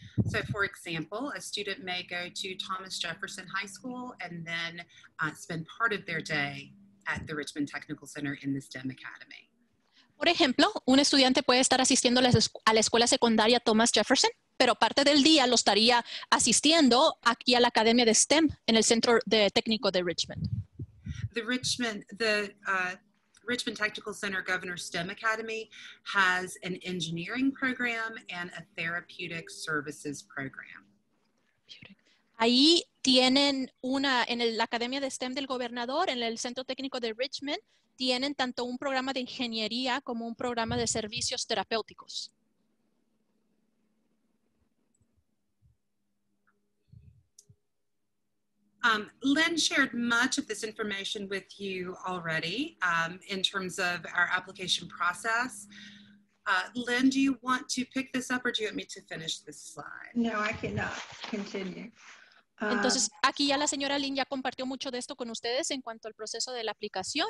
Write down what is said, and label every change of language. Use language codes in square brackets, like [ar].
[en] So, for example, a student may go to Thomas Jefferson High School and then spend part of their day at the Richmond Technical Center in the STEM Academy. [es] Por ejemplo, un estudiante puede estar asistiendo a la escuela secundaria Thomas Jefferson, pero parte del día lo estaría asistiendo aquí a la Academia de STEM en el Centro Técnico de Richmond. [en] Richmond Technical Center Governor STEM Academy has an engineering program and a therapeutic services program. [es] Ahí tienen una, en la Academia de STEM del Gobernador, en el Centro Técnico de Richmond, tienen tanto un programa de ingeniería como un programa de servicios terapéuticos. [en] Lynn shared much of this information with you already in terms of our application process. Lynn, do you want to pick this up or do you want me to finish this slide? No, I cannot continue. [es] Entonces, aquí ya la señora Lynn ya compartió mucho de esto con ustedes en cuanto al proceso de la aplicación.